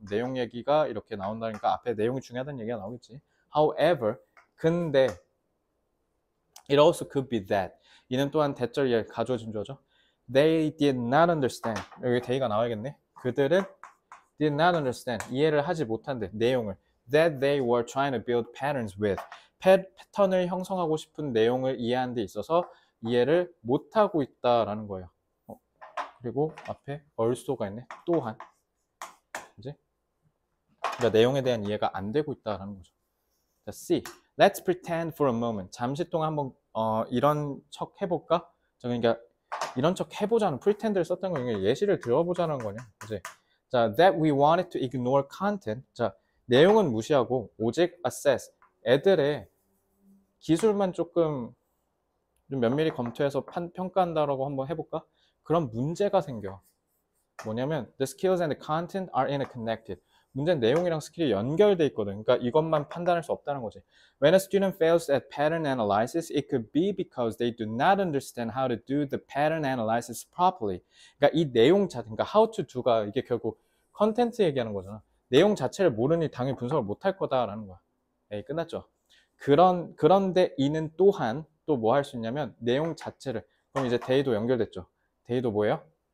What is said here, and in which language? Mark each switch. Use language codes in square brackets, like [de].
[ko] 내용 얘기가 이렇게 나온다니까 앞에 내용이 중요하다는 얘기가 나오겠지. [en] However, 근데, it also could be that. [ko] 이는 또한 대절 가져진 거죠. [en] They did not understand. [ko] 여기 대의가 나와야겠네. 그들은 [en] did not understand. [ko] 이해를 하지 못한데, 내용을. [en] That they were trying to build patterns with. [ko] 패턴을 형성하고 싶은 내용을 이해한 데 있어서 이해를 못하고 있다라는 거예요. 그리고 앞에 also가 있네. 또한. 그지? 그러니까 내용에 대한 이해가 안 되고 있다라는 거죠. [en] 자, C. Let's pretend for a moment. [ko] 잠시 동안 한번, 이런 척 해볼까? 그러니까 이런 척 해보자는, pretend를 썼던 거, 예시를 들어보자는 거냐. 그지? [en] 자, that we wanted to ignore content. [ko] 자, 내용은 무시하고, 오직 [en] assess. [ko] 애들의 기술만 조금 좀 면밀히 검토해서 평가한다라고 한번 해볼까? 그럼 문제가 생겨. [en] 뭐냐면, the skills and the content are interconnected. [ko] 문제는 내용이랑 스킬이 연결돼 있거든. 그러니까 이것만 판단할 수 없다는 거지. [en] When a student fails at pattern analysis, it could be because they do not understand how to do the pattern analysis properly. [ko] 그러니까 이 내용 자체, 그러니까 how to do가 이게 결국 컨텐츠 얘기하는 거잖아. 내용 자체를 모르니 당연히 분석을 못할 거다라는 거야. 에이, 끝났죠? 그런데 이는 또한 또뭐할수 있냐면 내용 자체를, 그럼 이제 대의도 연결됐죠? 대의도 뭐예요?